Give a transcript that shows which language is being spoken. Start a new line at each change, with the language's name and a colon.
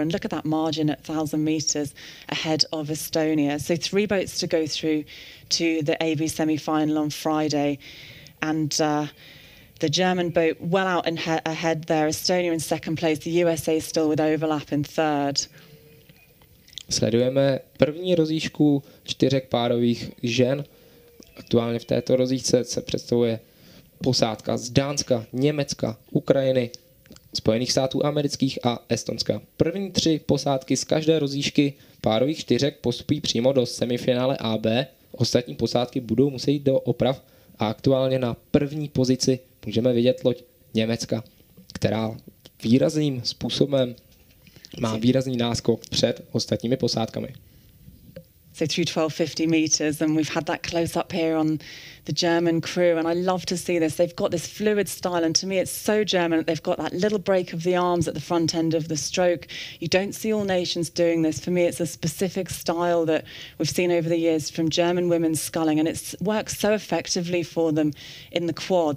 English: And look at that margin at 1,000 metres ahead of Estonia. So three boats to go through to the AB semi-final on Friday. And the German boat well out in ahead there, Estonia in second place, the USA still with overlap in third.
Czech: Sledujeme první rozíšku čtyřek párových žen. Aktuálně v této rozíšce se představuje posádka z Dánska, Německa, Ukrajiny, Spojených států amerických a Estonska. První tři posádky z každé rozíšky párových čtyřek postupují přímo do semifinále AB. Ostatní posádky budou muset jít do oprav a aktuálně na první pozici můžeme vidět loď Německa, která výrazným způsobem má výrazný náskok před ostatními posádkami.
English: so through 1250 meters, and we've had that close up here on the German crew, and I love to see this. They've got this fluid style, and to me it's so German that they've got that little break of the arms at the front end of the stroke. You don't see all nations doing this. For me, it's a specific style that we've seen over the years from German women's sculling, and it works so effectively for them in the quad.